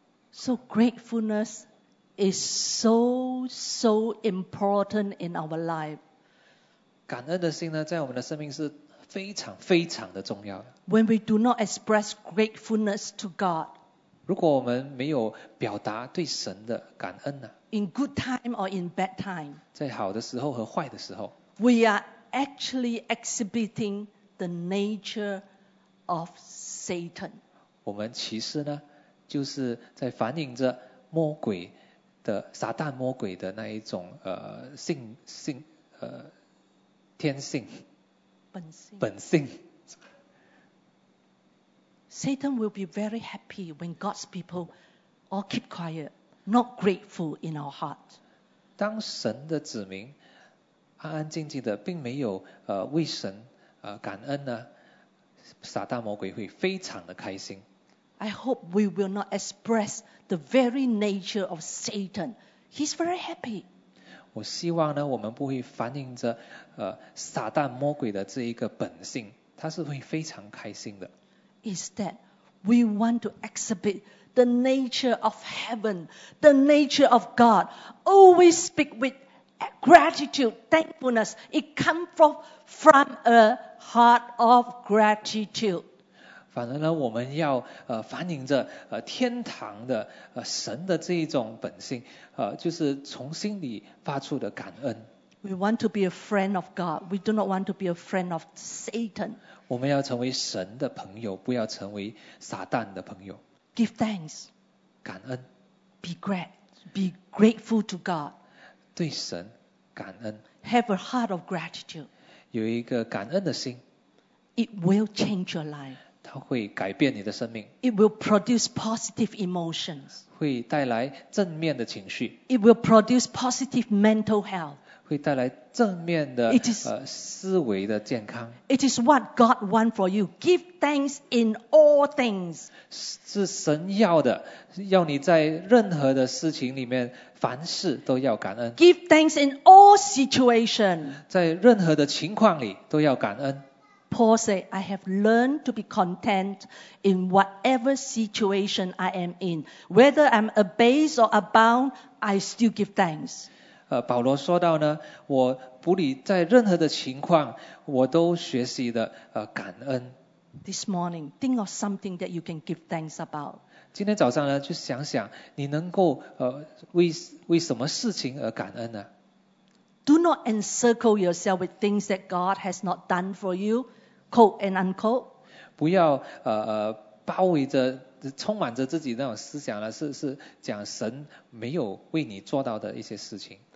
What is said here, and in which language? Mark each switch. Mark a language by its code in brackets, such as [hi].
[en] So gratefulness is so so important in our life. [zh] 感恩的心呢，在我们的生命是非常非常的重要的。 [en] When we do not express gratefulness to God, [zh] 如果我们没有表达对神的感恩呢 [en] ？In good time or in bad time, [zh] 在好的时候和坏的时候 [en] ，we are actually exhibiting the nature of Satan. [zh] 我们其实呢，就是在反映着魔鬼的撒旦魔鬼的那一种天性本性。 [en] Satan will be very happy when God's people all keep quiet, not grateful in our heart. [zh] 当神的子民安安静静的，并没有为神感恩呢。撒旦魔鬼会非常的开心。 [en] I hope we will not express the very nature of Satan. He's very happy. [zh] 我希望呢，我们不会反映着撒旦魔鬼的这一个本性，他是会非常开心的。 [en] Instead, we want to exhibit the nature of heaven, the nature of God. Always speak with gratitude, thankfulness. It comes from a heart of gratitude. [zh] 反而呢，我们要反映着天堂的神的这一种本性，就是从心里发出的感恩。 [en] We want to be a friend of God. We do not want to be a friend of Satan. [zh] 我们要成为神的朋友，不要成为撒旦的朋友。 [en] Give thanks. [zh] 感恩。 [en] Be grateful to God. [zh] 对神感恩。 [en] Have a heart of gratitude. [zh] 有一个感恩的心 [en] ，It will change your life. [zh] 它会改变你的生命。 [en] It will produce positive emotions. [zh] 会带来正面的情绪。 [en] It will produce positive mental health. [zh] 会带来正面的 思维的健康。 [en] It is what God wants for you. Give thanks in all things. [zh] 是神要的，要你在任何的事情里面，凡事都要感恩。 [en] Give thanks in all situations. [zh] 在任何的情况里都要感恩。 [en] Paul said, I have learned to be content in whatever situation I am in. Whether I'm abased or abound, I still give thanks. [zh] 保罗说到呢，我不理在任何的情况，我都学习的感恩。 [en] This morning, think of something that you can give thanks about. [zh] 今天早上呢，就想想你能够为什么事情而感恩呢？ [en] Do not encircle yourself with things that God has not done for you, quote and unquote. [zh] 不要包围着，充满着自己那种思想了，是讲神没有为你做到的一些事情。